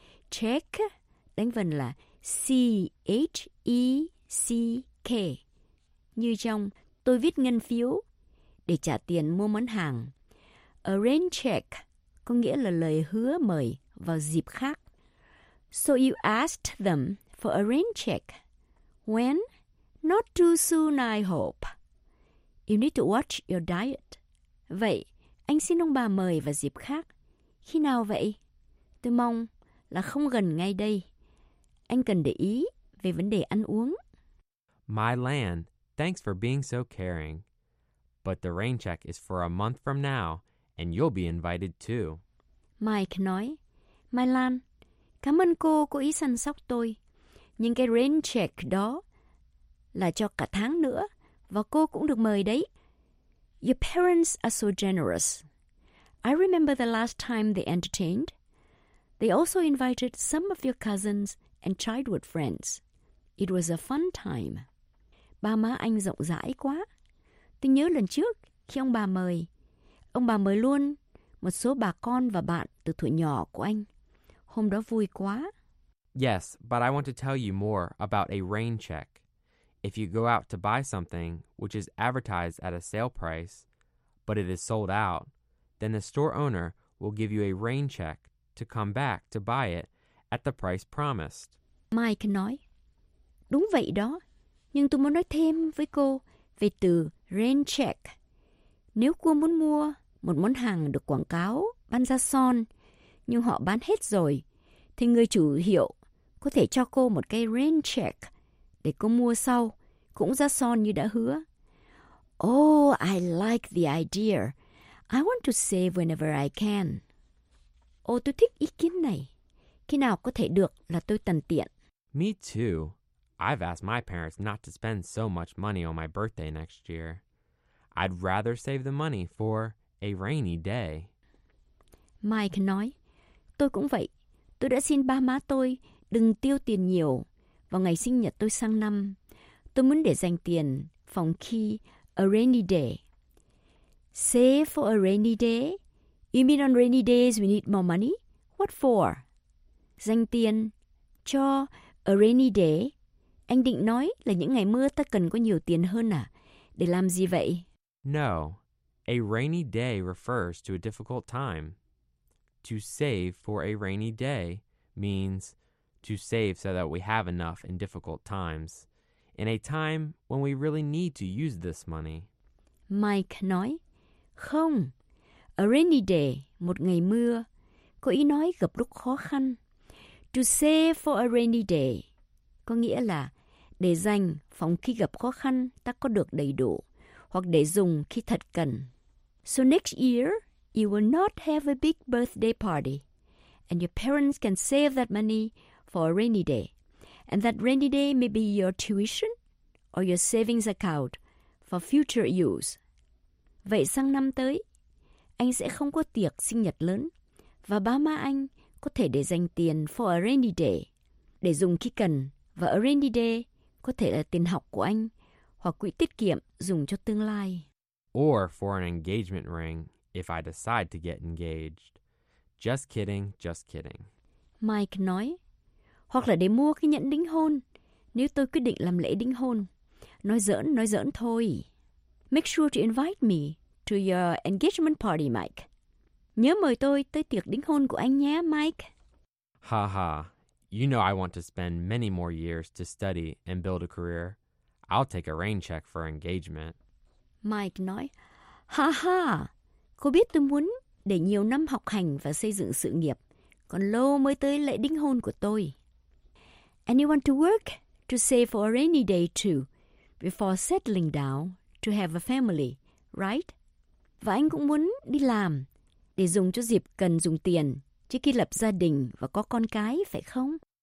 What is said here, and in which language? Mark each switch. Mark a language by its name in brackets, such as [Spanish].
[Vietnamese] Check đánh vần là C-H-E-C-K. Như trong, tôi viết ngân phiếu để trả tiền mua món hàng. A rain check có nghĩa là lời hứa mời vào dịp khác. [English] So you asked them for a rain check. When? Not too soon, I hope. You need to watch your diet. [Vietnamese] Vậy, anh xin ông bà mời vào dịp khác. Khi nào vậy? Tôi mong là không gần ngay đây. Anh cần để ý về vấn đề ăn uống. [English] My land. Thanks for being so caring. But the rain check is for a month from now, and you'll be invited too. [Vietnamese] Mike nói, Mai Lan, cảm ơn cô ý săn sóc tôi. Nhưng cái rain check đó là cho cả tháng nữa, và cô cũng được mời đấy. [English] Your parents are so generous. I remember the last time they entertained. They also invited some of your cousins and childhood friends. It was a fun time. [Vietnamese] Ba má anh rộng rãi quá. Tôi nhớ lần trước khi ông bà mời luôn một số bà con và bạn từ tuổi nhỏ của anh. Hôm đó vui quá. [English] Yes, but I want to tell you more about a rain check. If you go out to buy something which is advertised at a sale price, but it is sold out, then the store owner will give you a rain check to come back to buy it at the price promised. [Vietnamese] Mike nói, đúng vậy đó. Nhưng tôi muốn nói thêm với cô về từ rain check. Nếu cô muốn mua một món hàng được quảng cáo bán ra son, nhưng họ bán hết rồi, thì người chủ hiệu có thể cho cô một cái rain check để cô mua sau, cũng ra son như đã hứa. [English] Oh, I like the idea. I want to save whenever I can. [Vietnamese] Ồ, tôi thích ý kiến này. Khi nào có thể được là tôi tận tiện. [English] Me too. I've asked my parents not to spend so much money on my birthday next year. I'd rather save the money for a rainy day. [Vietnamese] Mike nói, tôi cũng vậy. Tôi đã xin ba má tôi đừng tiêu tiền nhiều vào ngày sinh nhật tôi sang năm. Tôi muốn để dành tiền phòng khi a rainy day. [English] Save for a rainy day? You mean on rainy days we need more money? What for? [Vietnamese] Dành tiền cho [English] a rainy day. [Vietnamese] Anh định nói là những ngày mưa ta cần có nhiều tiền hơn à? Để làm gì vậy? [English] No. A rainy day refers to a difficult time. To save for a rainy day means to save so that we have enough in difficult times. In a time when we really need to use this money. [Vietnamese] Mike nói, không, a rainy day, một ngày mưa, có ý nói gặp lúc khó khăn. [English] To save for a rainy day, [Vietnamese] có nghĩa là để dành phòng khi gặp khó khăn ta có được đầy đủ, hoặc để dùng khi thật cần. [English] So next year, you will not have a big birthday party, and your parents can save that money for a rainy day. And that rainy day may be your tuition or your savings account for future use. [Vietnamese] Vậy sang năm tới, anh sẽ không có tiệc sinh nhật lớn và ba má anh có thể để dành tiền for a rainy day, để dùng khi cần. Và a rainy day có thể là tiền học của anh hoặc quỹ tiết kiệm dùng cho tương lai. [English] Or for an engagement ring if I decide to get engaged. Just kidding, just kidding. [Vietnamese] Mike nói, hoặc là để mua cái nhẫn đính hôn, nếu tôi quyết định làm lễ đính hôn. Nói giỡn thôi. [English] Make sure to invite me to your engagement party, Mike. [Vietnamese] Nhớ mời tôi tới tiệc đính hôn của anh nhé, Mike. [English] Ha ha, you know I want to spend many more years to study and build a career. I'll take a rain check for engagement. [Vietnamese] Mike nói, ha ha, cô biết tôi muốn để nhiều năm học hành và xây dựng sự nghiệp, còn lâu mới tới lễ đính hôn của tôi. [English] And you want to work to save for a rainy day too, before settling down to have a family, right? [Vietnamese] Và anh cũng muốn đi làm để dùng cho dịp cần dùng tiền trước khi lập gia đình và có con cái, phải không?